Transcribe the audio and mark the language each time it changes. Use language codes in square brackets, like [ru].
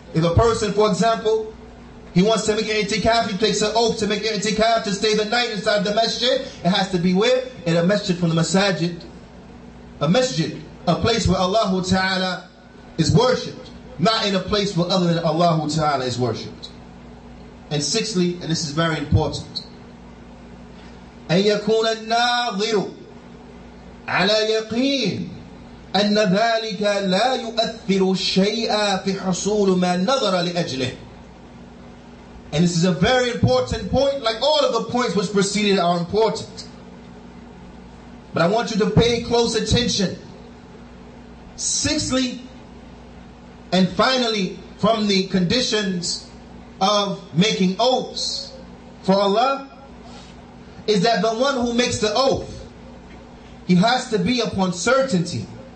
[en] If a person, for example, he wants to make an i'tikaf, he takes an oath to make an i'tikaf to stay the night inside the masjid, it has to be where? In a masjid from the masajid. A masjid, a place where Allah Ta'ala is worshipped. Not in a place where other than Allah Ta'ala is worshipped. And sixthly, and this is very important, [ar] أن يكون الناظر على يقين أن ذلك لا يؤثر شيئا في حصول ما نظر لأجله. [en] And this is a very important point, like all of the points which preceded are important. But I want you to pay close attention. Sixthly, and finally, from the conditions of making oaths for Allah, is that the one who makes the oath, he has to be upon certainty.